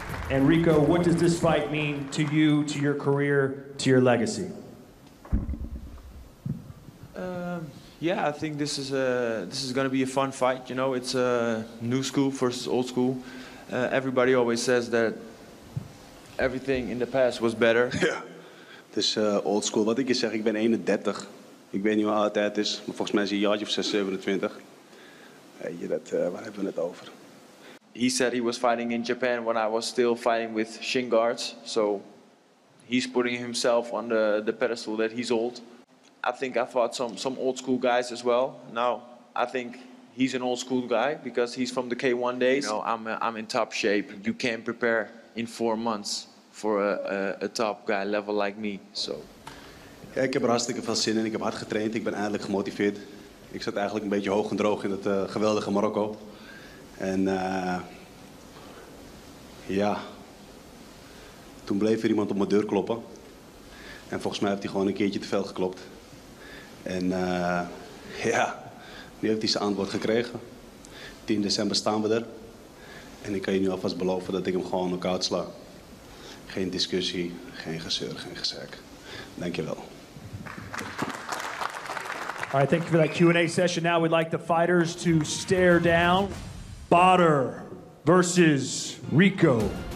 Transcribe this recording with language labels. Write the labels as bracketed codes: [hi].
[en] And Rico, what does this fight mean to you, to your career, to your legacy? Yeah, I think this is gonna be a fun fight. You know, it's a new school versus old school. Everybody always says that everything in the past was better. [nl] Yeah, het is old school. Wat ik je zeg, ik ben 31. Ik weet niet hoe oud het is, maar volgens mij is hij een jaartje of 26, 27. Hey, waar hebben we het over? [en] He said he was fighting in Japan when I was still fighting with shin guards. So he's putting himself on the pedestal that he's old. I think I fought some old school guys as well. Now I think he's an old school guy because he's from the K1 days. You know, I'm in top shape. You can't prepare in 4 months for a top guy level like me. So. [nl] Ja, ik heb er hartstikke veel zin in. Ik heb hard getraind. Ik ben eindelijk gemotiveerd. Ik zat eigenlijk een beetje hoog en droog in het geweldige Marokko. En ja, toen bleef er iemand op mijn deur kloppen. En volgens mij heeft hij gewoon een keertje te veel geklopt. En ja, nu heeft hij zijn antwoord gekregen. 10 december staan we er. En ik kan je nu alvast beloven dat ik hem gewoon knock-out sla. Geen discussie, geen gezeur, geen gezeik. Dankjewel. [en] All right, thank you for that Q&A session. Now we'd like the fighters to stare down. Badr versus Rico.